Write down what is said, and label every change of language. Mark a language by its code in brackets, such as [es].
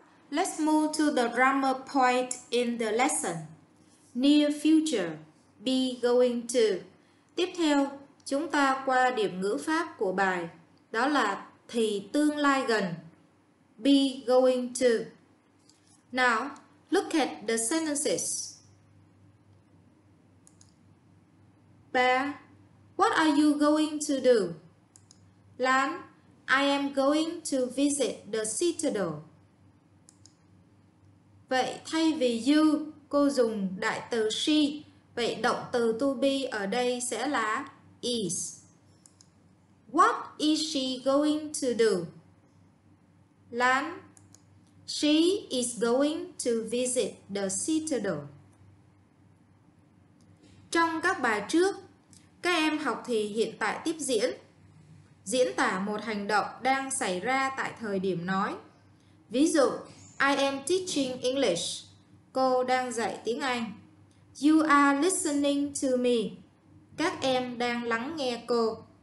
[en] Let's move to the grammar point in the lesson. Near future, be going to. [vi] Tiếp theo, chúng ta qua điểm ngữ pháp của bài, đó là thì tương lai gần, be going to. [en] Now, look at the sentences. Bear, what are you going to do? Lan, I am going to visit the citadel. [vi] Vậy, thay vì you, cô dùng đại từ she. Vậy, động từ to be ở đây sẽ là is. [en] What is she going to do? Lan, she is going to visit the citadel. [vi] Trong các bài trước, các em học thì hiện tại tiếp diễn. Diễn tả một hành động đang xảy ra tại thời điểm nói. Ví dụ, [en] I am teaching English. [vi] Cô đang dạy tiếng Anh. [en] You are listening to me. [vi] Các em đang lắng nghe cô.